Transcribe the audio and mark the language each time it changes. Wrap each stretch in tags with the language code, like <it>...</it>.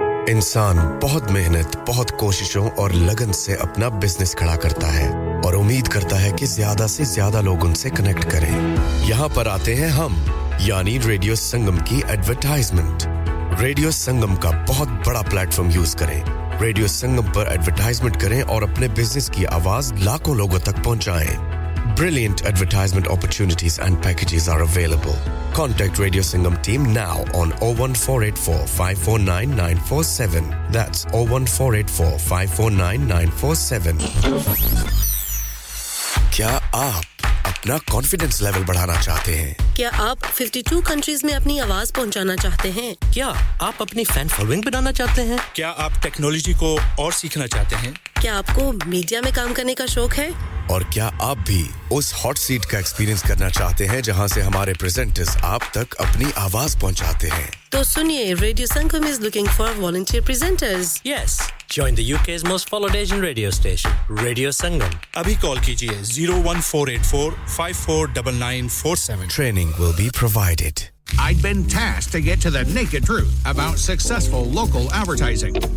<hi>इंसान बहुत मेहनत बहुत कोशिशों और लगन से अपना बिजनेस खड़ा करता है और उम्मीद करता है कि ज्यादा से ज्यादा लोग उनसे कनेक्ट करें यहां पर आते हैं हम यानी रेडियो संगम की एडवर्टाइजमेंट रेडियो संगम का बहुत बड़ा प्लेटफार्म यूज करें रेडियो संगम पर एडवर्टाइजमेंट करें और अपने बिजनेस की आवाज लाखों लोगों तक पहुंचाएं</hi> <en>Brilliant advertisement opportunities and packages are available. Contact Radio Sangam team now on 01484 549947. That's 01484 549947.</en> <hi>क्या आप अपना कॉन्फिडेंस लेवल बढ़ाना चाहते हैं? क्या आप 52 कंट्रीज में अपनी आवाज पहुंचाना चाहते हैं? क्या आप अपनी फैन फॉलोइंग बनाना चाहते हैं? क्या आप टेक्नोलॉजी को और सीखना चाहते हैं? क्या आपको मीडिया में काम करने का शौक है? और क्या आप भी उस हॉट सीट का एक्सपीरियंस करना चाहते हैं जहां से हमारे प्रेजेंटर्स आप तक अपनी आवाज पहुंचाते हैं? तो सुनिए,</hi> <en>Radio Sangam is looking for volunteer presenters. Yes, join the UK's most followed Asian radio station, Radio Sangam.</en> <hi>Abhi call kijiye 01484-549947.</hi> <en>Training will be provided. I'd been tasked to get to the naked truth about successful local advertising.</en>